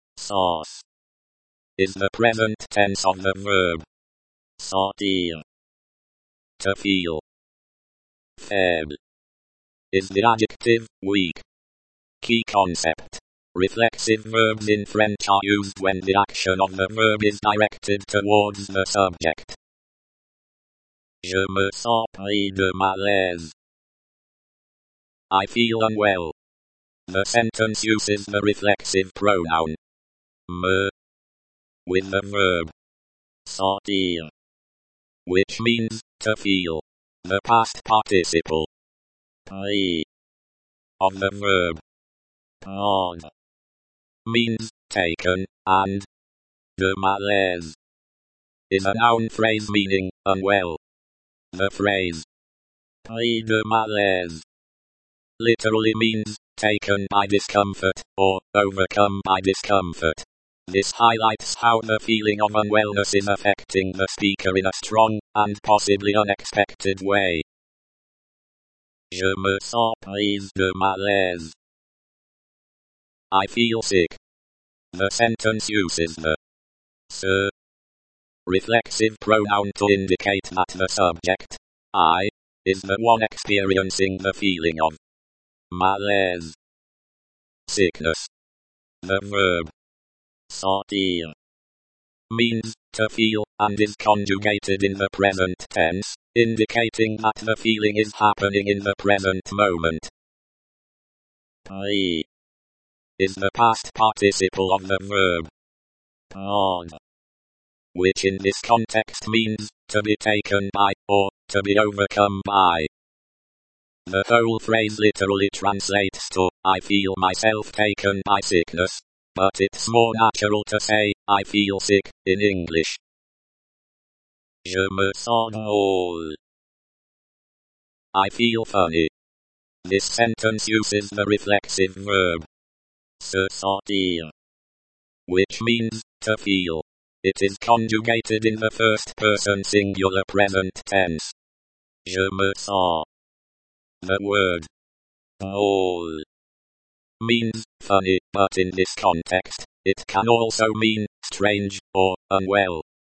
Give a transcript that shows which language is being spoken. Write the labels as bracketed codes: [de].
[en] Sens is the present tense of the verb sentir. To feel. Faible is the adjective, weak. Key concept. Reflexive verbs in French are used when the action of the verb is directed towards the subject. [fr] Je me sens pris de malaise. [en] I feel unwell. The sentence uses the reflexive pronoun me with the verb sentir, which means to feel. The past participle I of the verb prendre means taken, and de malaise is a noun phrase meaning unwell. The phrase pris de malaise literally means taken by discomfort or overcome by discomfort. This highlights how the feeling of unwellness is affecting the speaker in a strong and possibly unexpected way. [fr] Je me sens pris de malaise. [en] I feel sick. The sentence uses the se reflexive pronoun to indicate that the subject, I, is the one experiencing the feeling of malaise. Sickness. The verb sentir means to feel and is conjugated in the present tense, indicating that the feeling is happening in the present moment. Pris is the past participle of the verb prendre, which in this context means to be taken by or to be overcome by. The whole phrase literally translates to I feel myself taken by sickness, but it's more natural to say I feel sick in English. [fr] Je me sens drôle. [en] I feel funny. This sentence uses the reflexive verb se sentir, which means to feel. It is conjugated in the first person singular present tense. [fr] Je me sens. [en] The word drôle means funny, but in this context, it can also mean strange or unwell.